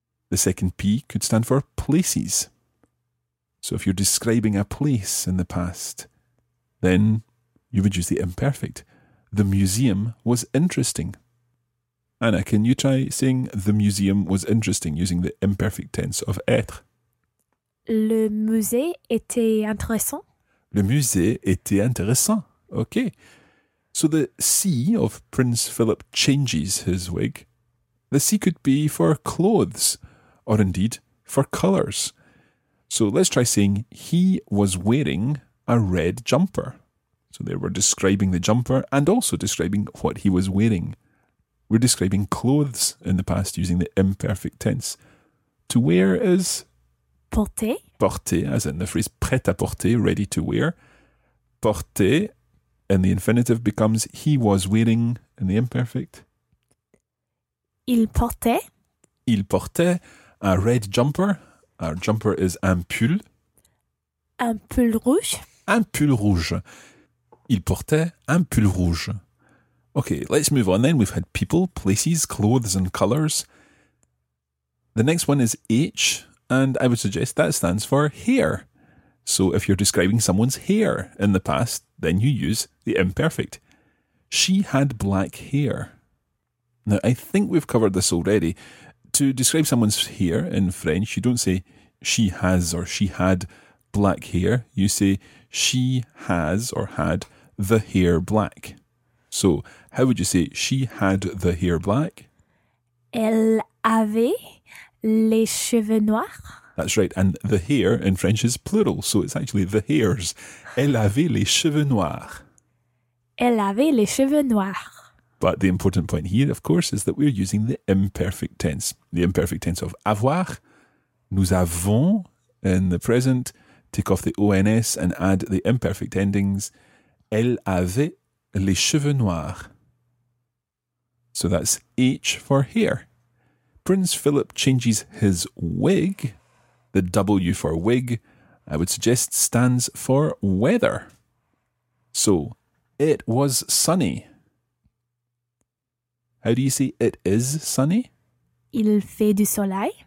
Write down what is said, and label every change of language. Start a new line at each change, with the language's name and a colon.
English: The second P could stand for places. So if you're describing a place in the past, then you would use the imperfect. The museum was interesting. Anna, can you try saying the museum was interesting using the imperfect tense of être?
French: Le musée était intéressant. Le musée était intéressant.
English: Okay. So the C of Prince Philip changes his wig. The C could be for clothes, or indeed for colours. So let's try saying he was wearing a red jumper. So there we're describing the jumper and also describing what he was wearing. We're describing clothes in the past using the imperfect tense. To wear is
French: porter.
English: Porter, as in the phrase prêt-à-porter, ready to wear. Porter, in the infinitive, becomes he was wearing, in the imperfect.
French: Il portait. Il portait
English: a red jumper. Our jumper is
French: un pull. Un pull rouge. Un pull rouge. Il portait un pull rouge.
English: Okay, let's move on then. We've had people, places, clothes and colours. The next one is H. And I would suggest that stands for hair. So if you're describing someone's hair in the past, then you use the imperfect. She had black hair. Now, I think we've covered this already. To describe someone's hair in French, you don't say she has or she had black hair. You say she has or had the hair black. So how would you say she had the hair black?
French: Elle avait... les cheveux noirs.
English: That's right, and the hair in French is plural, so it's actually the hairs.
French: Elle avait les cheveux noirs. Elle avait les cheveux noirs.
English: But the important point here, of course, is that we're using the imperfect tense. The imperfect tense of avoir.
French: Nous avons
English: in the present. Take off the ons and add the imperfect endings.
French: Elle avait les cheveux noirs.
English: So that's H for hair. Prince Philip changes his wig. The W for wig, I would suggest, stands for weather. So, it was sunny. How do you say it is sunny?
French: Il fait du soleil.